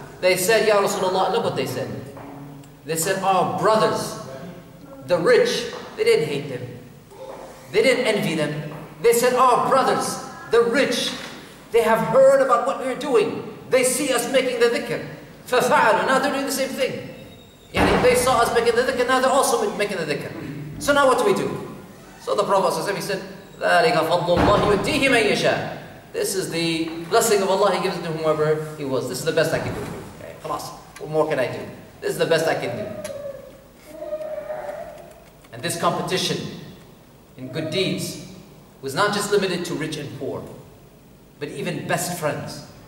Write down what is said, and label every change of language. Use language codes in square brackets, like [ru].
[en] They said, Ya Rasulullah, look what they said. They said, our brothers, the rich, they didn't hate them. They didn't envy them. They said, our brothers, the rich, they have heard about what we're doing. They see us making the dhikr. [ar] فَفَعَلُوا. [en] Now they're doing the same thing. Yani they saw us making the dhikr, now they're also making the dhikr. So now what do we do? So the Prophet ﷺ, he said, [ar] ذَلِكَ فَضْلُ اللَّهِ يُؤْتِيهِ مَنْ يَشَاءُ. [en] This is the blessing of Allah, he gives it to whomever he wills. This is the best I can do. Okay, خلاص. What more can I do? This is the best I can do. And this competition in good deeds was not just limited to rich and poor, but even best friends.